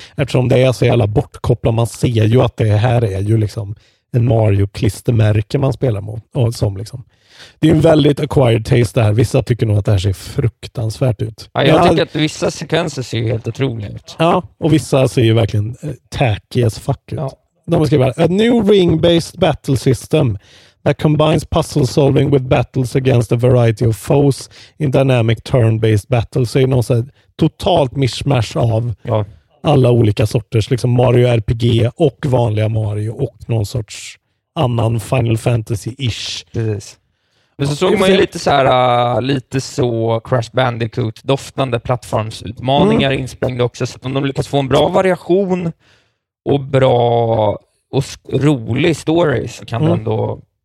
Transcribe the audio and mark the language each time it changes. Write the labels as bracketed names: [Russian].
[Swedish] Eftersom det är så jävla bortkopplat, man ser ju att det här är ju liksom en Mario-klistermärke man spelar mot. Och som liksom. Det är en väldigt acquired taste där. Vissa tycker nog att det här ser fruktansvärt ut. Ja, jag tycker att vissa sekvenser ser ju helt otroligt ut. Ja, och vissa ser ju verkligen [English] tacky as fuck [Swedish] ut. Ja. De skriver, [English] a new ring-based battle system that combines puzzle solving with battles against a variety of foes in dynamic turn-based battles. [Swedish] Så är det någon så här totalt mishmash av alla olika sorters, liksom Mario RPG och vanliga Mario och någon sorts annan Final Fantasy-ish. Precis. Men så såg man ju lite så här lite så Crash Bandicoot doftande plattformsutmaningar insprängde också, så de lyckas få en bra variation och bra och rolig story, så kan den då...